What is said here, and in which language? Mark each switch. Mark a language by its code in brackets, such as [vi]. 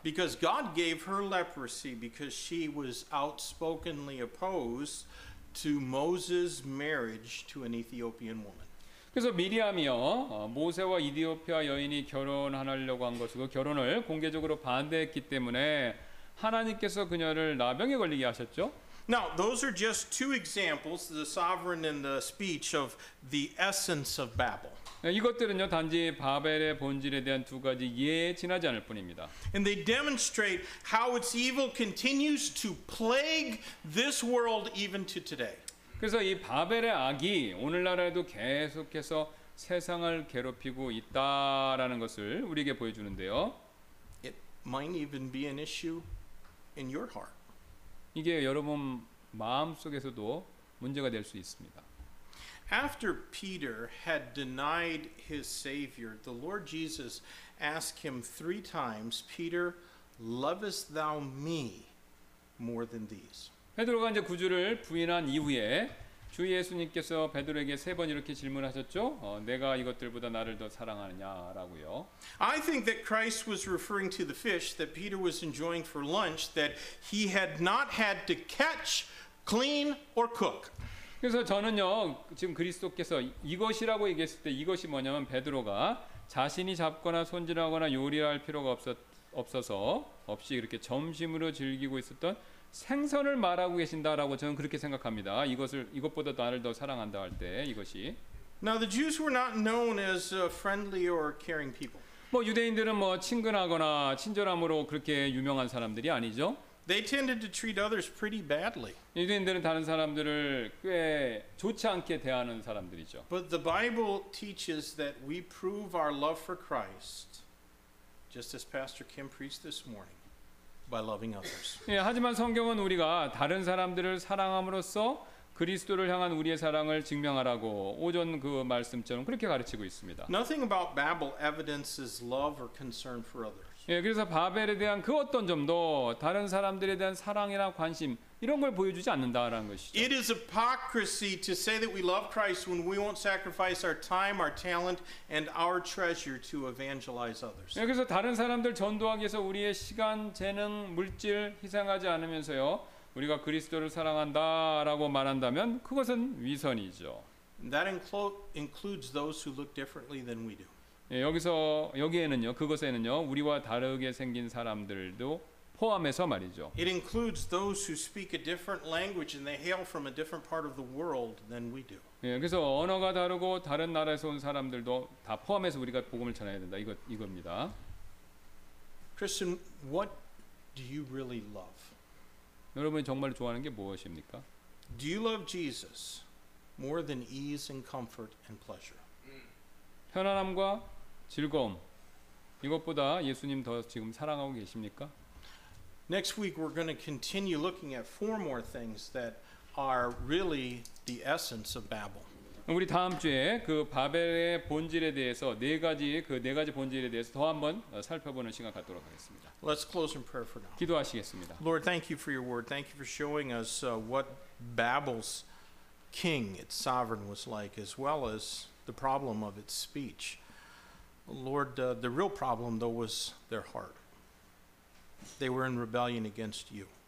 [en] Because God gave her leprosy because she was outspokenly opposed to Moses' marriage to an Ethiopian woman. [ko] 그래서 미리암이요, 모세와 이디오피아 여인이 결혼하려고 한 것이고 결혼을 공개적으로 반대했기 때문에 하나님께서 그녀를 나병에 걸리게 하셨죠. [en] Now, those are just two examples, the sovereign and the speech of the essence of Babel. [ko] 이것들은요, 단지 바벨의 본질에 대한 두 가지 예에 지나지 않을 뿐입니다. [en] And they demonstrate how its evil continues to plague this world even to today. [ko] 그래서 이 바벨의 악이 오늘날에도 계속해서 세상을 괴롭히고 있다라는 것을 우리에게 보여주는데요. [en] It might even be an issue in your heart. [ko] 이게 여러분 마음속에서도 문제가 될 수 있습니다. [en] After Peter had denied his savior, the Lord Jesus asked him three times, "Peter, lovest thou me more than these?" [ko] 베드로가 이제 구주를 부인한 이후에 주 예수님께서 베드로에게 세 번 이렇게 질문하셨죠. 내가 이것들보다 나를 더 사랑하느냐라고요. [en] I think that Christ was referring to the fish that Peter was enjoying for lunch that he had not had to catch, clean or cook. [ko] 그래서 저는요, 지금 그리스도께서 이것이라고 얘기했을 때 이것이 뭐냐면 베드로가 자신이 잡거나 손질하거나 요리할 필요가 없어서 이렇게 점심으로 즐기고 있었던 생선을 말하고 계신다라고 저는 그렇게 생각합니다. 이것보다 나를 더 사랑한다 할 때 이것이. [en] Now the Jews were not known as friendly or caring people. [ko] 뭐 유대인들은 뭐 친근하거나 친절함으로 그렇게 유명한 사람들이 아니죠. [en] They tended to treat others pretty badly. [ko] 유대인들은 다른 사람들을 꽤 좋지 않게 대하는 사람들이죠. [en] But the Bible teaches that we prove our love for Christ, just as Pastor Kim preached this morning. By loving others. [ko] 예, 하지만 성경은 우리가 다른 사람들을 사랑함으로써 그리스도를 향한 우리의 사랑을 증명하라고 오전 그 말씀처럼 그렇게 가르치고 있습니다. [en] Nothing about Babel evidences love or concern for others. [ko] 예, 그래서 바벨에 대한 그 어떤 점도 다른 사람들에 대한 사랑이나 관심 이런 걸 보여주지 않는다라는 것이죠. [en] It is hypocrisy to say that we love Christ when we won't sacrifice our time, our talent, and our treasure to evangelize others. [ko] 예, 그래서 다른 사람들 전도하기 위해서 우리의 시간, 재능, 물질 희생하지 않으면서요, 우리가 그리스도를 사랑한다라고 말한다면 그것은 위선이죠. [en] That includes those who look differently than we do. [ko] 예, 여기서 여기에는요, 그것에는요, 우리와 다르게 생긴 사람들도 포함해서 말이죠. [en] It includes those who speak a different language and they hail from a different part of the world than we do. [ko] 예, 그래서 언어가 다르고 다른 나라에서 온 사람들도 다 포함해서 우리가 복음을 전해야 된다. 이겁니다. [en] Christian, what do you really love? [ko] 여러분이 정말 좋아하는 게 무엇입니까? [en] Do you love Jesus more than ease and comfort and pleasure? [ko] 편안함과 즐거움 이것보다 예수님 더 지금 사랑하고 계십니까? [en] Next week we're going to continue looking at four more things that are really the essence of Babel. [ko] 우리 다음 주에 그 바벨의 본질에 대해서 네 가지 그 네 가지 본질에 대해서 더 한번 살펴보는 시간 갖도록 하겠습니다. [en] Let's close in prayer for now. [ko] 기도하시겠습니다. [en] Lord, thank you for your word. Thank you for showing us what Babel's king, its sovereign, was like, as well as the problem of its speech. Lord, the real problem though was their heart. They were in rebellion against you.